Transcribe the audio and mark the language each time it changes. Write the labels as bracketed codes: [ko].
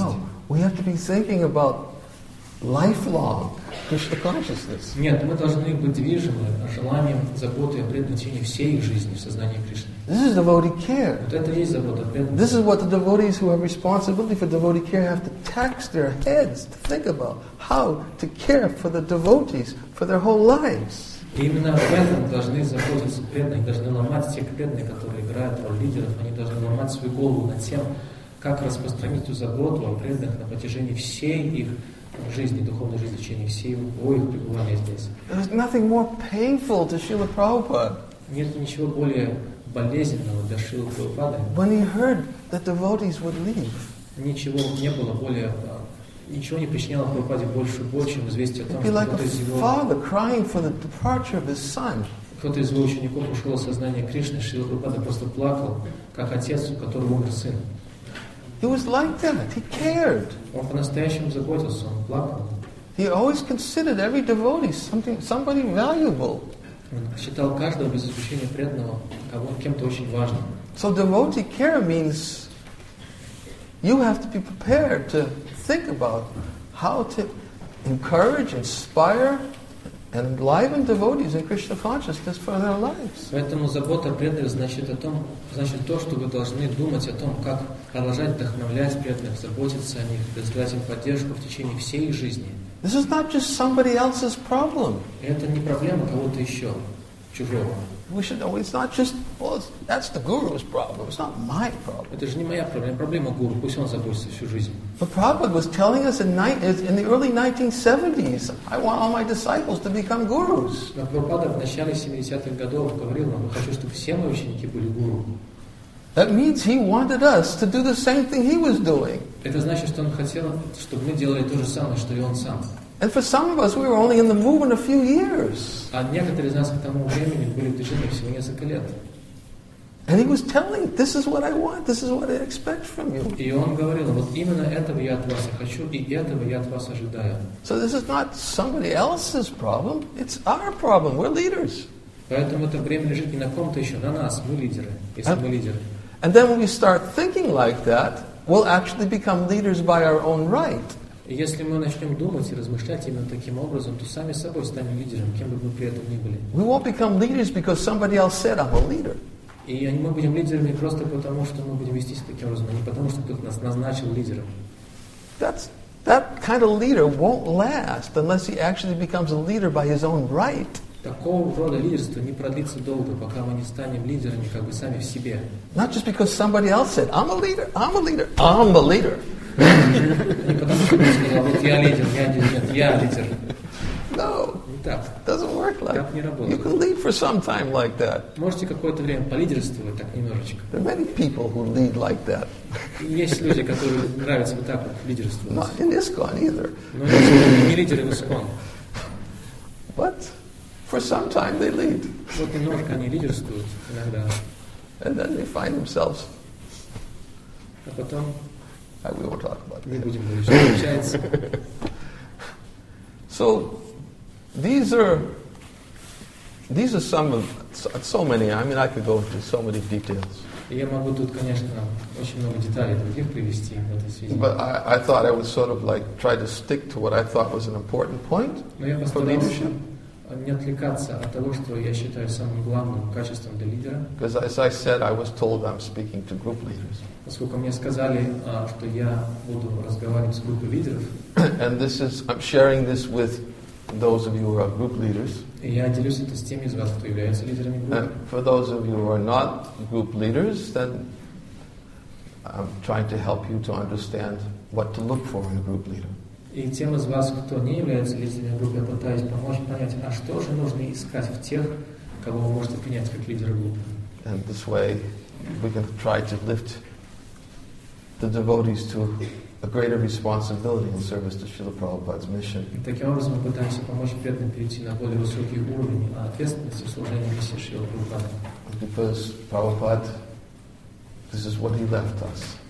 [en] No, we have to be thinking about lifelong Krishna consciousness. [ru] Нет, мы должны быть движимы желанием, заботой о предназначении всей их жизни в сознании Кришны. [en] This is devotee care. [ru] Вот это есть забота о преданности. [en] This is what the devotees who have responsibility for devotee care have to tax their heads to think about how to care for the devotees for their whole lives. [ru] Именно об этом должны заботиться преданные, должны ломать те преданные, которые играют роль лидеров, они должны ломать свою голову над тем, как распространить эту заботу о преданных на протяжении всей их жизни, духовной жизни, в течение всего их пребывания здесь. [en] There's nothing more painful to Srila Prabhupada. [ru] Нет ничего более болезненного для Шрилы Прабхупады. [en] When he heard that devotees would leave. [ru] Ничего не было более, ничего не причиняло Прабхупаде больше боли, чем известие о том, что кто-то из его... [en] Father crying for the departure of his son. [ru] Кто-то из его учеников ушел от сознания Кришны, Шрила Прабхупада просто плакал, как отец, у которого умер сын. [en] He was like that. He cared. [ru] Он по-настоящему заботился, он плакал. [en] He always considered every devotee something, somebody valuable. [ru] Он считал каждого без исключения преданного кем-то очень важным. [en] So devotee care means you have to be prepared to think about how to encourage, inspire, and enliven devotees in Krishna consciousness for their lives. [ru] Поэтому забота о преданных значит о том, значит то, что вы должны думать о том, как продолжать вдохновлять преданных, заботиться о них, предоставлять им поддержку в течение всей их жизни. [en] This is not just somebody else's problem. [ru] Это не проблема кого-то еще. чужого. [en] We should know it's not just, well, that's the guru's problem. It's not my problem. [ru] Это же не моя проблема. Проблема гуру. Пусть он заботится всю жизнь. [en] But Prabhupada was telling us in the early 1970s, I want all my disciples to become gurus. [ru] Но Прабхупада в начале 70-х годов говорил нам, хочу, чтобы все мои ученики были гуру. [en] That means he wanted us to do the same thing he was doing. [ru] Это значит, что он хотел, чтобы мы делали то же самое, что и он сам. [en] And for some of us, we were only in the movement a few years. [ru] А некоторые из нас к тому времени были в движении всего несколько лет. [en] And he was telling, "This is what I want. This is what I expect from you." [ru] И он говорил, вот именно этого я от вас хочу, и этого я от вас ожидаю. [en] So this is not somebody else's problem. It's our problem. We're leaders. [ru] Поэтому это бремя лежит не на ком-то еще, на нас, мы лидеры, если мы лидеры. [en] And then when we start thinking like that, we'll actually become leaders by our own right. [ru] Если мы начнем думать и размышлять именно таким образом, то сами собой станем лидером, кем бы мы при этом ни были. [en] We won't become leaders because somebody else said I'm a leader. [ru] И мы будем лидерами просто потому, что мы будем вестись таким образом, а не потому, что кто-то нас назначил лидером. [en] That kind of leader won't last unless he actually becomes a leader by his own right. [ru] Такого рода лидерство не продлится долго, пока мы не станем лидерами как бы сами в себе. [en] Not just because somebody else said, I'm a leader, I'm a leader, I'm the leader. [ru] Не потому, что кто-то сказал, вот я лидер, я лидер, нет, я лидер. [en] No, [ru] так. [en] Doesn't work like that. [ru] Не работает. [en] You can lead for some time like that. [ru] Можете какое-то время полидерствовать так немножечко. [en] There are many people who lead like that. [ru] Есть люди, которым нравится вот так вот лидерствовать. [en] Not in ISKCON either. [ru] Но не лидеры в ISKCON. [en] But for some time they lead. [ru] Вот немножко они лидерствуют иногда. [en] And then they find themselves. [ru] А потом. [en] We won't talk about that. [ru] Не будем говорить, что получается. [en] So these are some of so many. I mean, I could go into so many details. [ru] Я могу тут, конечно, очень много деталей других привести в этой связи. [en] But I thought I would sort of like try to stick to what I thought was an important point for leadership. [ru] Не отвлекаться от того, что я считаю самым главным качеством для лидера. [en] Because as I said, I was told I'm speaking to group leaders. [ru] Поскольку мне сказали, что я буду разговаривать с группой лидеров. [en] And this is, I'm sharing this with those of you who are group leaders. [ru] И я делюсь это с теми из вас, кто является лидерами группы. [en] And for those of you who are not group leaders, then I'm trying to help you to understand what to look for in a group leader. [ru] И тем из вас, кто не является лидерами группы, я пытаюсь помочь понять, а что же нужно искать в тех, кого вы можете принять как лидера группы. [en] And this way we can try to lift the devotees to a greater responsibility in service to Srila Prabhupada's mission. [ru] И таким образом мы пытаемся помочь преданным перейти на более высокий уровень ответственности в служении миссии Шрилы Прабхупады. [en] Because Prabhupada, this is what he left us.